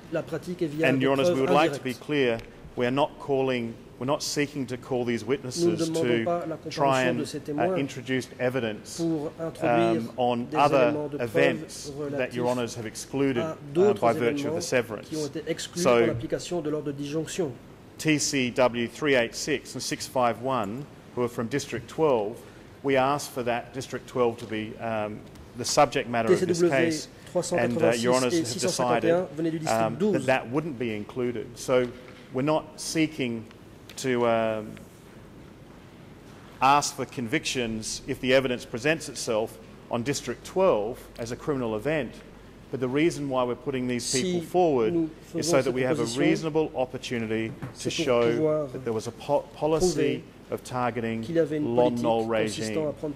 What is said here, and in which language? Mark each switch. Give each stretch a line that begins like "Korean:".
English: And, Your Honours, we would like to be clear, we're not seeking to call these witnesses to try and introduce evidence on other events that Your Honours have excluded by virtue of the severance.
French: Qui ont été exclus so, par l'application de l'ordre de disjonction.
English: TCW 386 and 651, who are from District 12, we ask for that District 12 to be the subject matter TCW of this case, and Your Honours have decided that wouldn't be included. So we're not seeking to ask for convictions if the evidence presents itself on District 12 as a criminal event, but the reason why we're putting these people forward is so that we have a reasonable opportunity to show that there was a policy of targeting Lon Nol regime.